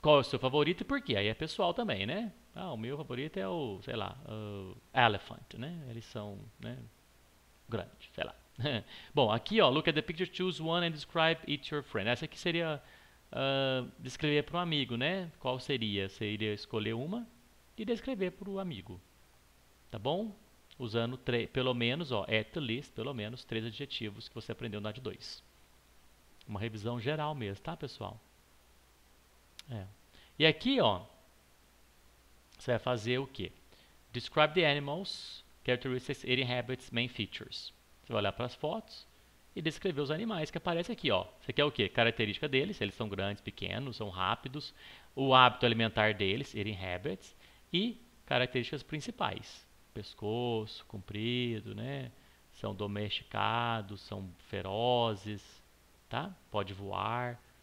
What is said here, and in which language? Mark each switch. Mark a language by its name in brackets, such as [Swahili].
[Portuguese] Qual é o seu favorito e por quê? Aí é pessoal também, né? Ah, o meu favorito é o, sei lá, o elephant, né? Eles são, né? Grande, sei lá. Bom, aqui, ó. [English] Look at the picture, choose one and describe it to your friend. [Portuguese] Essa aqui seria. Descrever para um amigo, né? Qual seria? Você iria escolher uma e descrever para o amigo, tá bom? Usando pelo menos, ó, at least, pelo menos três adjetivos que você aprendeu na AD2. Uma revisão geral mesmo, tá, pessoal? É. E aqui, ó, você vai fazer o quê? [English] Describe the animals, characteristics, eating habits, main features. [Portuguese] Você vai olhar para as fotos. E descrever os animais que aparecem aqui, ó. Você quer o quê? Característica deles, se eles são grandes, pequenos, são rápidos, o hábito alimentar deles, eating habits, e características principais. Pescoço, comprido, né? São domesticados, são ferozes, tá? Pode voar.